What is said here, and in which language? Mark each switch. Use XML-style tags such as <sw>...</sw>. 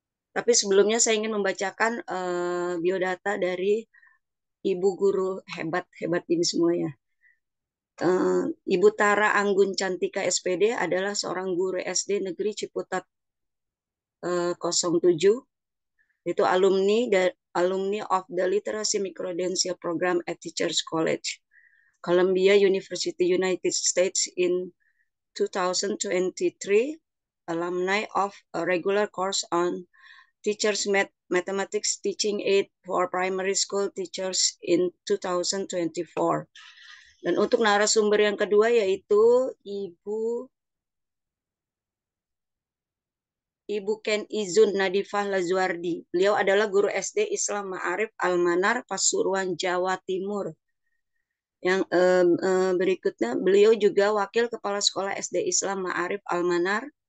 <id>Tapi sebelumnya saya ingin membacakan biodata dari Ibu guru hebat hebat ini semuanya. Ibu Tara Anggun Cantika SPD adalah seorang guru SD Negeri Ciputat 07.</id> <en>Itu alumni of the Literacy Microdential Program at Teachers College, Columbia University United States in 2023, alumni of a regular course on Teachers Mathematics Teaching Aid for Primary School Teachers in 2024.</en> <id>Dan untuk narasumber yang kedua yaitu Ibu Ken Izun Nadifah Lazuardi. Beliau adalah guru SD Islam Ma'arif Almanar Pasuruan Jawa Timur. Yang berikutnya beliau juga wakil kepala sekolah SD Islam Ma'arif Almanar.</id>